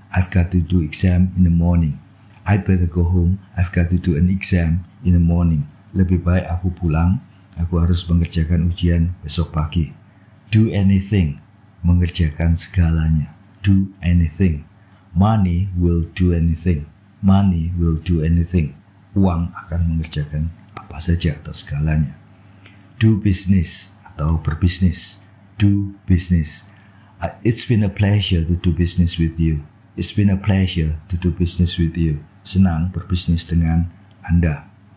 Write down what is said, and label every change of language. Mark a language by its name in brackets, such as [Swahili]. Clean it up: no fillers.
[English] I've got to do exam in the morning. I'd better go home. I've got to do an exam in the morning. [Indonesian] Lebih baik aku pulang. Aku harus mengerjakan ujian besok pagi. [English] Do anything. [Indonesian] Mengerjakan segalanya. [English] Do anything. Money will do anything. Money will do anything. [Indonesian] Uang akan mengerjakan apa saja atau segalanya. [English] Do business [Indonesian] atau berbisnis. [English] Do business. It's been a pleasure to do business with you. It's been a pleasure to do business with you. [Indonesian] Senang berbisnis dengan Anda.